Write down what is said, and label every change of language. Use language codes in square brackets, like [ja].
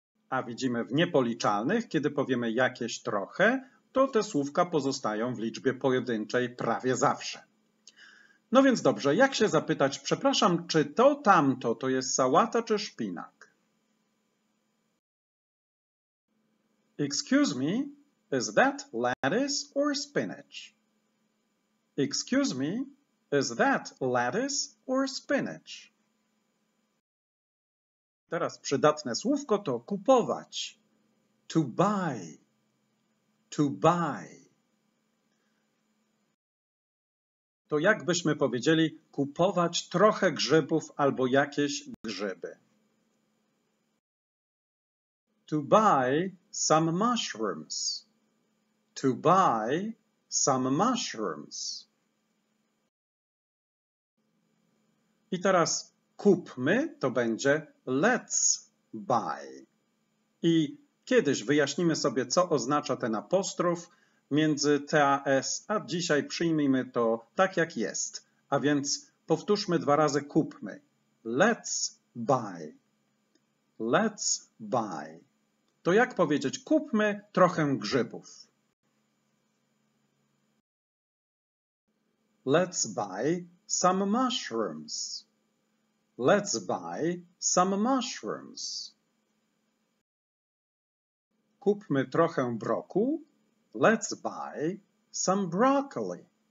[pl] a widzimy w niepoliczalnych, kiedy powiemy jakieś trochę, to te słówka pozostają w liczbie pojedynczej prawie zawsze. No więc dobrze, jak się zapytać, przepraszam, czy to tamto to jest sałata czy szpinak? [en] Excuse me, is that lettuce or spinach? Excuse me, is that lettuce or spinach? [pl] Teraz przydatne słówko to kupować. [en] To buy. To buy. [pl] To jakbyśmy powiedzieli kupować trochę grzybów albo jakieś grzyby. [en] To buy some mushrooms. To buy some mushrooms. [pl] I teraz kupmy to będzie [en] let's buy. [pl] I kiedyś wyjaśnimy sobie, co oznacza ten apostrof między TAS, a dzisiaj przyjmijmy to tak, jak jest. A więc powtórzmy dwa razy kupmy. [en] Let's buy. Let's buy. [pl] To jak powiedzieć kupmy trochę grzybów? [en] Let's buy some mushrooms. Let's buy some mushrooms. [pl] Kupmy trochę brokuł. [en] Let's buy some broccoli.